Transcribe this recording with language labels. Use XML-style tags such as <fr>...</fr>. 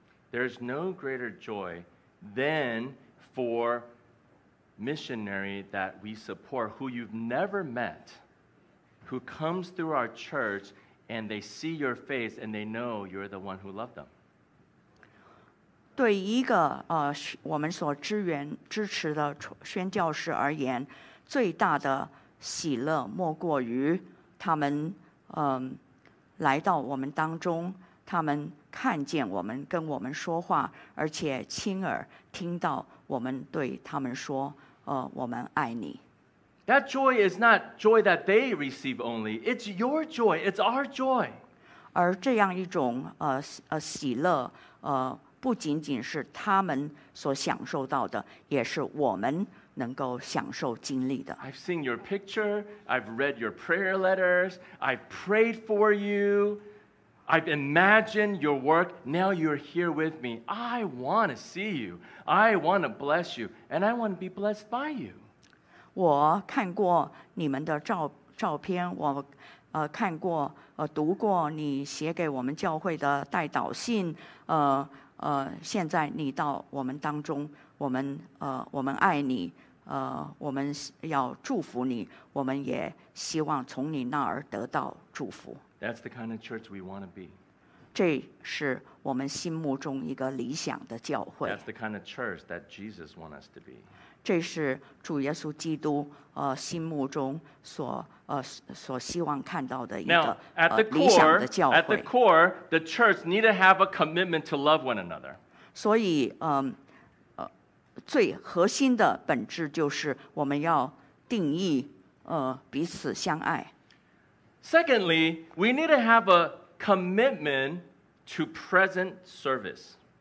<en>There is no greater joy than for missionary that we support who you've never met, who comes through our church. And they see your face, and they know you're the one who loved them.</en> <zh>对一个我们所支持的宣教士而言，最大的喜乐莫过于他们来到我们当中，他们看见我们，跟我们说话，而且亲耳听到我们对他们说，我们爱你。</zh> <en>That joy is not joy that they receive only. It's your joy. It's our joy.</en> <zh>而这样一种喜乐不仅仅是他们所享受到的，也是我们能够享受经历的。</zh> <en>I've seen your picture. I've read your prayer letters. I've prayed for you. I've imagined your work. Now you're here with me. I want to see you. I want to bless you. And I want to be blessed by you.</en> <zh>我看过你们的照片，我看过读过你写给我们教会的代祷信，现在你到我们当中，我们爱你，我们要祝福你，我们也希望从你那儿得到祝福。</zh> <en>That's the kind of church we want to be.</en> <zh>这是我们心目中一个理想的教会。</zh> <en>That's the kind of church that Jesus wants us to be.</en> <zh>这是主耶稣基督心目中所希望看到的一个理想的教会。</zh> <en>At the core, the church need to have a commitment to love one another.</en> <zh>所以最核心的本质就是我们要定义彼此相爱。</zh> <en>Secondly, we need to have a commitment to present service.</en>